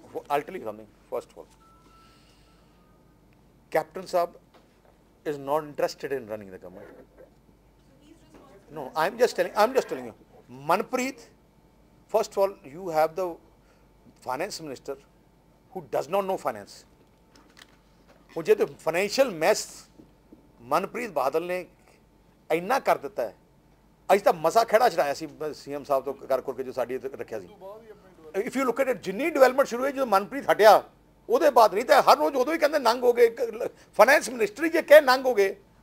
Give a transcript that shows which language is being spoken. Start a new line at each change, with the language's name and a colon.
English: I'll tell you something, first of all captain ਸਾਹਿਬ is not interested in running the government. No, I'm just telling you, Manpreet, first of all, you have the finance minister who does not know finance.
Punjabi: ਹੁਣ ਜੇ ਤਾਂ financial mess Manpreet Badal ਨੇ ਇੰਨਾ ਕਰ ਦਿੱਤਾ ਹੈ, ਅਸੀਂ ਤਾਂ ਮਸਾ ਖੜਾ ਚੜਾਇਆ ਸੀ ਸੀ ਐਮ ਸਾਹਿਬ ਤੋਂ ਕਰ ਕੁਰ ਕੇ ਜੋ ਸਾਡੀ ਰੱਖਿਆ ਸੀ।
English: if you look at it,
Punjabi: ਜਿੰਨੀ ਡਿਵੈਲਪਮੈਂਟ ਸ਼ੁਰੂ ਹੋਈ ਜਦੋਂ ਮਨਪ੍ਰੀਤ ਹਟਿਆ ਉਹਦੇ ਬਾਅਦ, ਨਹੀਂ ਤਾਂ ਹਰ ਰੋਜ਼ ਉਦੋਂ ਹੀ ਕਹਿੰਦੇ ਨੰਗ ਹੋ ਗਏ ਫਾਈਨੈਂਸ ਮਿਨਿਸਟਰੀ ਜੇ ਕਹੇ ਨੰਗ ਹੋ ਗਏ।